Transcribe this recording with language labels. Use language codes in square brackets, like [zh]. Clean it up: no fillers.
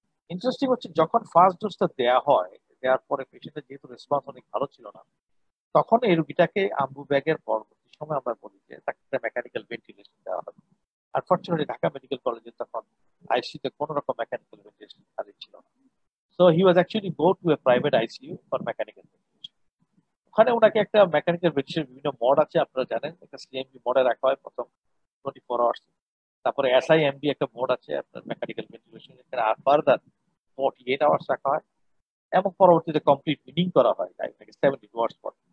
[bn] Interesting হচ্ছে যখন first ডোজটা দেওয়া হয়, দেওয়ার পরে পেশেন্টের যেহেতু রেসপন্স অনেক ভালো ছিল না, তখন এই রুগীটাকে আম্বু ব্যাগের পরবর্তী সময় আমরা বলি যে তাকে একটা মেকানিক্যাল ভেন্টিলেশন দেওয়া হবে। আনফর্চুনেটলি ঢাকা মেডিকেল কলেজে তখন আইসিতে কোনো রকম মেকানিক্যাল ভেন্টিলেশন খালি ছিল না, so [en] he was actually go to a private ICU for mechanical ventilation. [bn] ওখানে ওনাকে একটা মেকানিক্যাল ভেন্টিলেশন বিভিন্ন মড আছে আপনারা জানেন, একটা সিএমভি মডে রাখা হয় প্রথম 24 আওয়ার্স, তারপরে এসআইএমভি একটা মড আছে আপনার মেকানিক্যাল ভেন্টিলেশন, এখানে আর ফার্দার 48 আওয়ার্স রাখা হয় এবং পরবর্তীতে কমপ্লিট বিডিং করা হয় 72 আওয়ার্স পর।